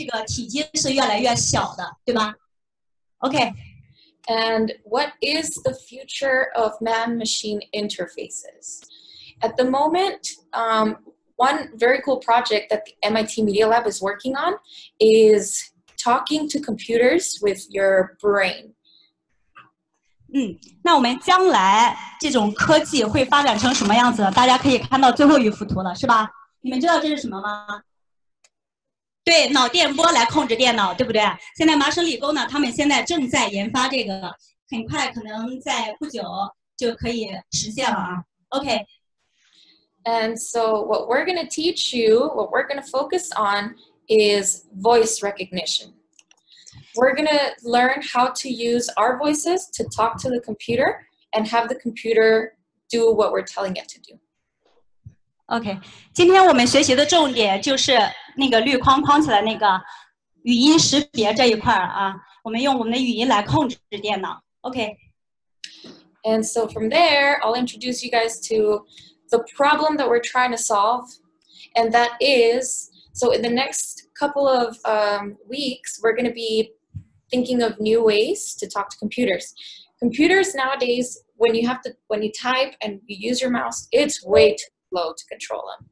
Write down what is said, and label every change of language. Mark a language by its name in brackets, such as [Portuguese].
[Chinese] 大家时间轴上可以看出来啊，我们的这些机器科技是不断进行发展的，发展的是现在是越来越高效，对不对？越来越快捷，而且它的这个体积是越来越小的，对吧？ [English] Okay. And what is the future of man-machine interfaces? At the moment, one very cool project that the MIT Media Lab is working on is talking to computers with your brain. [Chinese] 那我们将来这种科技会发展成什么样子呢? 大家可以看到最后一幅图了,是吧?你们知道这是什么吗? 对,脑电波来控制电脑,对不对?现在麻省理工呢,他们现在正在研发这个, 很快可能在不久就可以实现了啊。 [English] OK. And so what we're going to teach you, what we're going to focus on is voice recognition. We're going to learn how to use our voices to talk to the computer and have the computer do what we're telling it to do. [Chinese] Okay, 今天我们学习的重点就是那个绿框框起来那个语音识别这一块啊，我们用我们的语音来控制电脑。Okay. [English] And so from there, I'll introduce you guys to the problem that we're trying to solve, and that is, so in the next couple of weeks, we're going to be thinking of new ways to talk to computers. Computers nowadays, when you type and you use your mouse, it's way too slow to control them.